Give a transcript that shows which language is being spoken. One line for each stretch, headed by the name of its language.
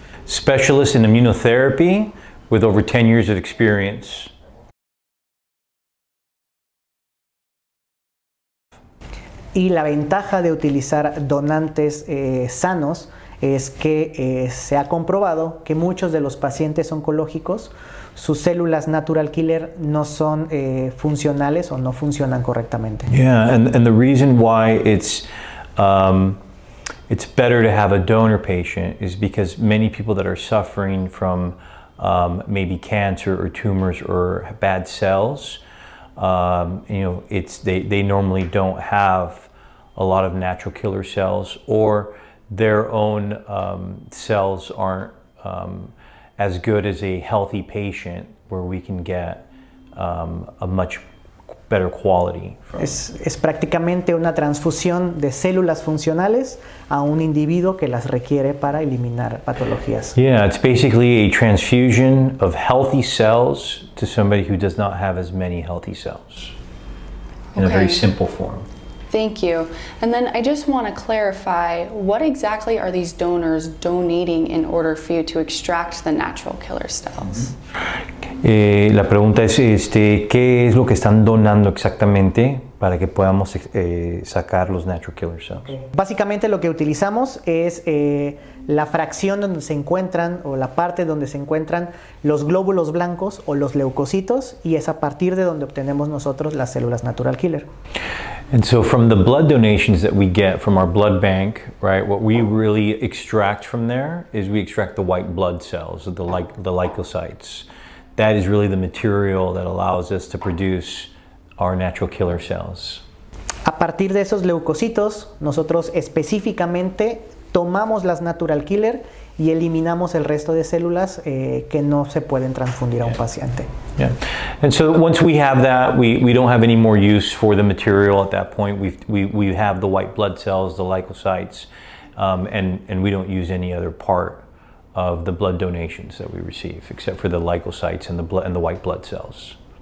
English: Specialist in immunotherapy with over 10 years of experience.
Spanish: Y la ventaja de utilizar donantes sanos es que se ha comprobado que muchos de los pacientes oncológicos, sus células natural killer no son funcionales o no funcionan correctamente.
English: Yeah, and the reason why it's better to have a donor patient is because many people that are suffering from maybe cancer or tumors or bad cells, they normally don't have a lot of natural killer cells, or their own cells aren't as good as a healthy patient, where we can get a much better quality.
Spanish: Es prácticamente una transfusión de células funcionales a un individuo que las requiere para eliminar patologías.
English: Yeah, it's basically a transfusion of healthy cells to somebody who does not have as many healthy cells in a very simple form. Thank you. And then I just want to clarify, what exactly are these donors donating in order for you to extract the natural killer cells?
Spanish: La pregunta es, ¿qué es lo que están donando exactamente para que podamos sacar los natural killer cells? Básicamente lo que utilizamos es la fracción donde se encuentran o la parte donde se encuentran los glóbulos blancos o los leucocitos, y es a partir de donde obtenemos nosotros las células natural killer.
English: And so from the blood donations that we get from our blood bank, right, what we really extract from there is we extract the white blood cells, the lymphocytes. That is really the material that allows us to produce our natural killer cells.
Spanish: A partir de esos leucocitos, nosotros específicamente tomamos las natural killer y eliminamos el resto de células que no se pueden transfundir a un paciente.
English: Yeah. And so once we have that, we don't have any more use for the material at that point. We have the white blood cells, the lymphocytes, and we don't use any other part of the blood donations that we receive except for the lymphocytes and the white blood cells.